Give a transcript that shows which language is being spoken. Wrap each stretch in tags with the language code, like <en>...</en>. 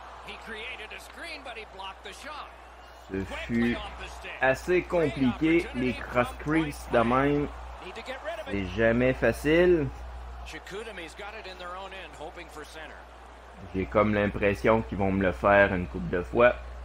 <en>He created a screen, but he blocked the shot.</en> <fr>Ce fut assez compliqué. Les cross-crease de même, c'est jamais facile.</fr> <en>Chicoutimi's got it in their own end, hoping for center.</en> <fr>J'ai comme l'impression qu'ils vont me le faire une couple de fois.</fr>